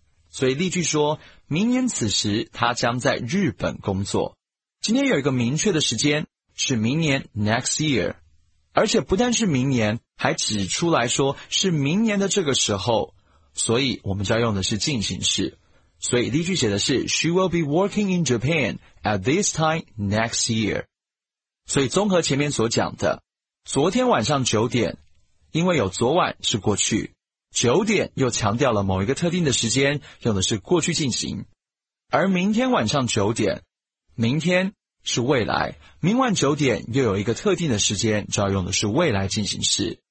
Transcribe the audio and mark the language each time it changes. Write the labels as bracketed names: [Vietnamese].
[Chinese] 所以例句说，明年此时他将在日本工作，今天有一个明确的时间是明年 next year， 而且不但是明年，还指出来说是明年的这个时候，所以我们就要用的是进行式。 [English] 所以例句写的是 She will be working in Japan at this time next year。 [Chinese] 所以综合前面所讲的，昨天晚上九点，因为有昨晚是过去，九点又强调了某一个特定的时间，用的是过去进行。而明天晚上九点，明天是未来，明晚九点又有一个特定的时间，就要用的是未来进行式。